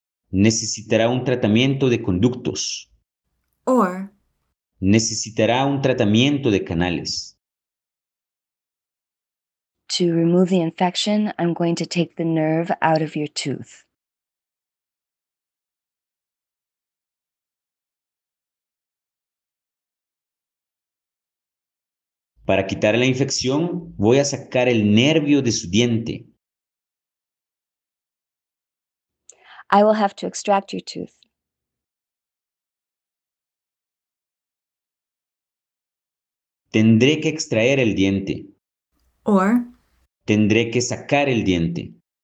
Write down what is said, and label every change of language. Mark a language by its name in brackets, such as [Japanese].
[Spanish] Necesitará un tratamiento de conductos. [English] Or. [Spanish] Necesitará un tratamiento de canales. [English] To remove the infection, I'm going to take the nerve out of your tooth. [Spanish] Para quitar la infección, voy a sacar el nervio de su diente. [English] I will have to extract your tooth. [Spanish] Tendré que extraer el diente. [English] Or. [Spanish] Tendré que sacar el diente.